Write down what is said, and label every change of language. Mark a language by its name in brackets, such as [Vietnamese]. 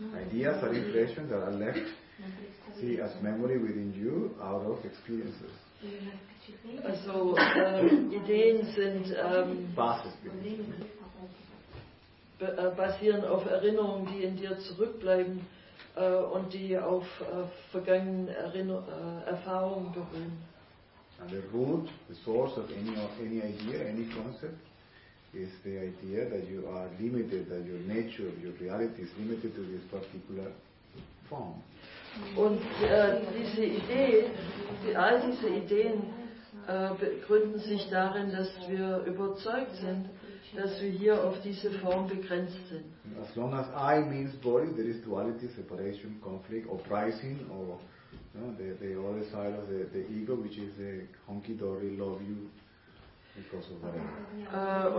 [English] Ideas are impressions that are left, see, as memory within you out of experiences. [German] Also Ideen sind basieren auf Erinnerungen, die in dir zurückbleiben und die auf vergangenen Erfahrungen beruhen. [English] And the root, the source of any idea, any concept, is the idea that you are limited, that your nature, your reality is limited to this particular form. [German] Und diese Idee, all diese Ideen begründen sich darin, dass wir überzeugt sind, dass wir hier auf diese Form begrenzt sind. [English] As long as I means body, there is duality, separation, conflict, uprising, or you know, the other side of the ego, which is the honky-dory love you because of whatever.